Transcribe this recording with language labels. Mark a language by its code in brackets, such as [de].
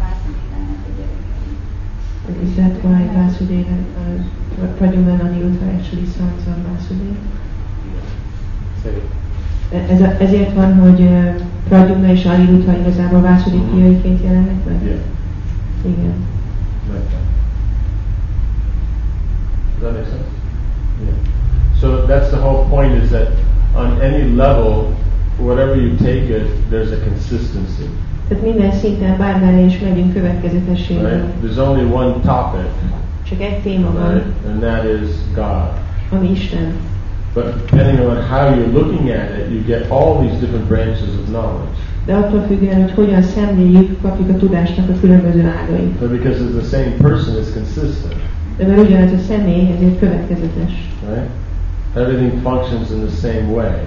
[en] Is that why Vasudeva Prajumna and Adiruddha actually sons of Vasudeva? [hu] Ezért van, hogy Prajumna és Adiruddha igazából Vasudeva fiaiként jelennek meg? [en] Yeah. [hu] Igen. [en] Right. Does that make sense? Yeah. So that's the whole point, is that on any level, whatever you take it, there's a consistency. [hu] Tehát minden szinten bármelyre is megyünk következetességre. [en] Right. There's only one topic. [hu] Csak egy téma van. [en] Right. And that is God. [hu] Ami Isten. [en] But depending on how you're looking at it, you get all these different branches of knowledge. [hu] De attól függően, hogy hogyan szemléljük, kapjuk a tudásnak a különböző ágai. [en] But because it's the same person, it's consistent. [hu] De mert ugyanaz a személy, ezért következetes. [en] Right. Everything functions in the same way.